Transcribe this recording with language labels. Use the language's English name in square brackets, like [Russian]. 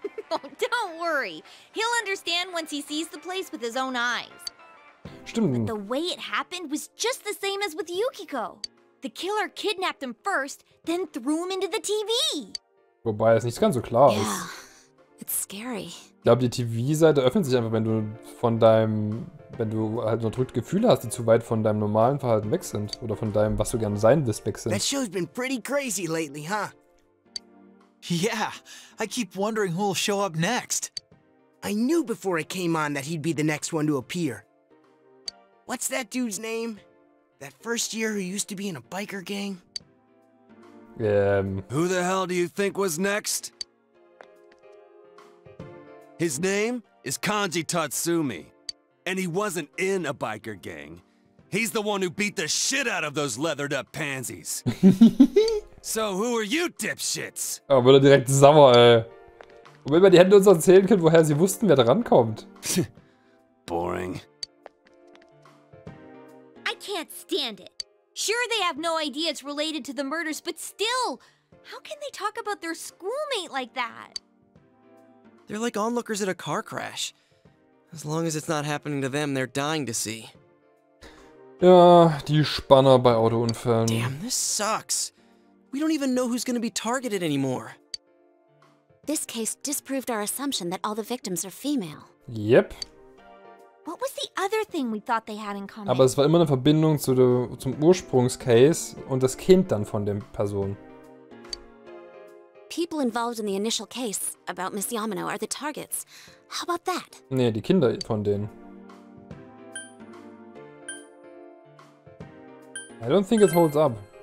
[English] Oh, don't worry. He'll understand once he sees the place with his own eyes. [German] Stimmt. [English] But the way it happened was just the same as with Yukiko. The killer kidnapped him first, then threw him into the TV. [German] Wobei es nicht ganz so klar ist. [English] Yeah, it's scary. [German] Ich glaube, die TV-Seite öffnet sich einfach, wenn du halt so drückt Gefühle hast, die zu weit von deinem normalen Verhalten weg sind. Oder von deinem, was du gerne sein willst, weg sind. [English] That show's been pretty crazy lately, huh? Yeah, I keep wondering who'll show up next. I knew before it came on that he'd be the next one to appear. What's that dude's name? That first year who used to be in a biker gang? Who the hell do you think was next? His name is Kanji Tatsumi. And he wasn't in a biker gang. He's the one who beat the shit out of those leathered up pansies. So who are you dipshits? [German] Oh, wurde direkt sauer, ey. Und wenn wir die Hände uns erzählen können, woher sie wussten, wer da rankommt. [English] Boring. I can't stand it. Sure, they have no idea it's related to the murders, but still, how can they talk about their schoolmate like that? They're like onlookers at a car crash. As long as it's not happening to them, they're dying to see. [German] Ja, die Spanner bei Autounfällen. [English] Damn, this sucks. We don't even know who's gonna be targeted anymore. This case disproved our assumption that all the victims are female. Yep. What was the other thing we thought they had in common? [German] Aber es war immer eine Verbindung zu der, zum Ursprungscase und das Kind dann von der Person. [English] People involved in the initial case about Miss Yamano are the targets. How about that? [German] Nee, die Kinder von denen. [English] I don't think it holds up.